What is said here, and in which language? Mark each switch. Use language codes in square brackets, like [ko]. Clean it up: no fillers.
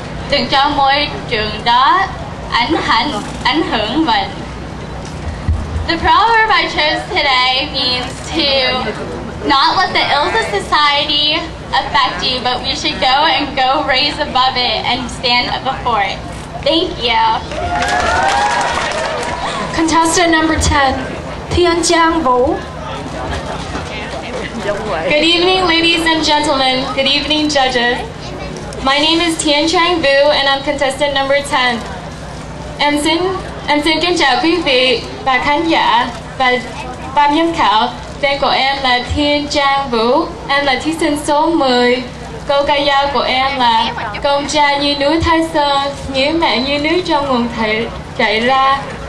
[vi] Đừng cho môi trường đó ảnh hưởng mình. [en] The proverb I chose today means to not let the ills of society affect you, but we should go raise above it and stand before it. Thank you. Contestant number 10, Thiên Giang Vũ. Good evening, ladies and gentlemen. Good evening, judges. My name is Tian Trang Vu and I'm contestant number 10. [vi] Em xin kính chào quý vị và khán giả và ban giám khảo. Tên của em là Tian Trang Vu. Em là thí sinh số 10. Câu ca dao của em là Công cha như núi Thái Sơn, nghĩa mẹ như nước trong nguồn chảy ra.